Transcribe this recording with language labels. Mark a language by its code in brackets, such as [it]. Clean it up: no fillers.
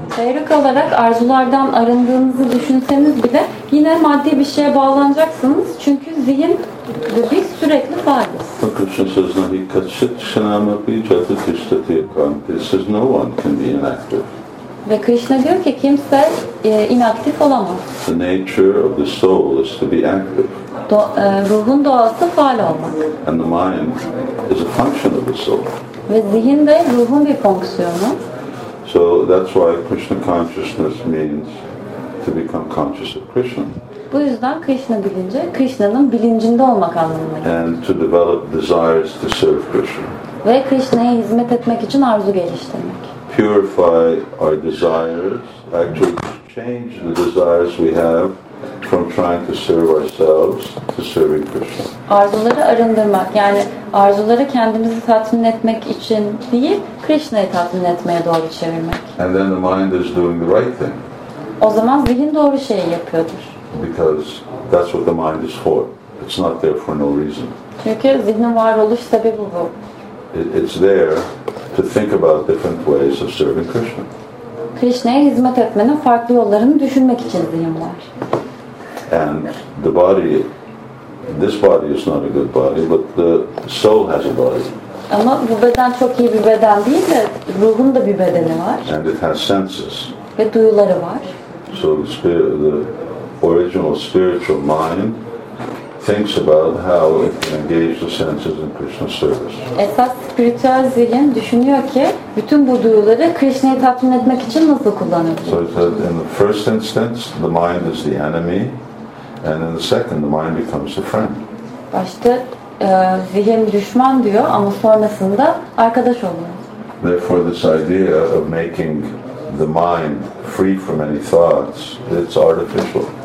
[tr] Teorik olarak arzulardan arındığınızı düşünseniz bile yine maddi bir şeye bağlanacaksınız. Çünkü zihin biz sürekli varız. Fakülçün sözüne dikkat et. Şenama bir cadı tüştetiye kantilsiz. [en] No one can be inactive. [tr] Ve Krishna diyor ki kimse inaktif olamaz. [en] The nature of the soul is to be active. [tr] Ruhun doğası faal olmak. [en] And the mind is a function of the soul. [tr] Ve zihin de ruhun bir fonksiyonu. [en] So that's why Krishna consciousness means to become conscious of Krishna. [tr] Bu yüzden Krishna bilince, Krishna'nın bilincinde olmak anlamına gelir. [en] And to develop desires to serve Krishna. [tr] Ve Krishna'ya hizmet etmek için arzu geliştirmek. [en] Purify our desires, actually change the desires we have from trying to serve ourselves to serving Krishna. [tr] Arzuları arındırmak, yani arzuları kendimizi tatmin etmek için değil, Krishna'yı tatmin etmeye doğru çevirmek. [en] And then the mind is doing the right thing. [tr] O zaman zihin doğru şeyi yapıyordur. [en] Because that's what the mind is for. It's not there for no reason. [tr] Çünkü zihnin varoluş sebebi bu. [en] It's there to think about different ways of serving Krishna. [tr] Krishna'ya hizmet etmenin farklı yollarını düşünmek için zihin var. [en] And the body, this body is not a good body, but the soul has a body. [tr] Ama bu beden çok iyi bir beden değil de ruhun da bir bedeni var. [en] And it has senses. [tr] Ve duyuları var. [en] So the original spiritual mind thinks about how it can engage the senses in Krishna's service. [tr] Esas spiritüel zihin düşünüyor ki bütün bu duyuları Krishna'yı tatmin etmek için nasıl kullanabilir? [en] So it says in the first instance the mind is the enemy. And in the second, the mind becomes a friend. [tr] Başta zihin düşman diyor, ama sonrasında arkadaş oluyor. [en] Therefore, this idea of making the mind free from any thoughts, it's artificial.